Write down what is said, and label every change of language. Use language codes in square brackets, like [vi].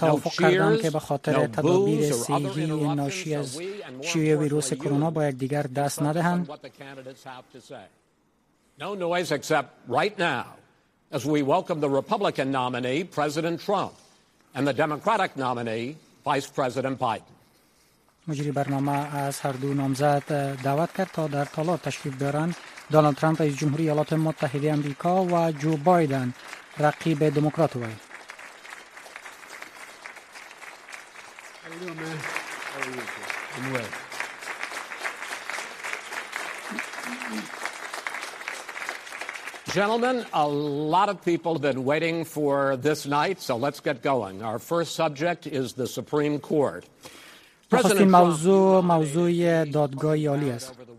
[en] No cheers, no boos or other interruptions, so we and more importantly you trust us on what the candidates have to say. No noise except right now as we welcome the Republican nominee, President Trump, and the Democratic nominee, Vice President Biden. [fa] مجری برنامه از هر دو نامزد دعوت کرد تا در تالار تشریف بیارن. دونالد ترامپ رئیس جمهوری ایالات متحده آمریکا و جو بایدن رقیب دموکرات وای. [en] Gentlemen, a lot of people have been waiting for this night, so let's get going. Our first subject is the Supreme Court. [fa] نخستین موضوع موضوعی دادگاه عالی است.